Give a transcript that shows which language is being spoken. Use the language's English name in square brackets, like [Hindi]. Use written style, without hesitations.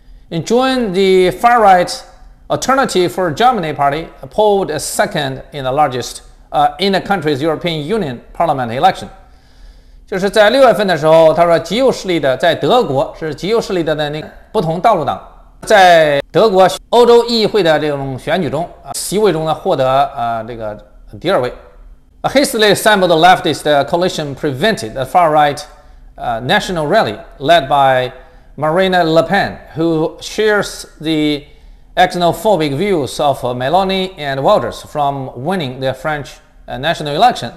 [English] And joined the far right Alternative for Germany Party polled second in the largest in the country's European Union Parliament election。 [Chinese] 就是在六月份的时候，他说极右势力的在德国是极右势力的那个不同道路党，在德国欧洲议会的这种选举中，席位中呢获得这个第二位。 [English] A hastily assembled leftist coalition prevented the far-right national rally led by Marine Le Pen, who shares the xenophobic views of Meloni and Wilders from winning the French national election.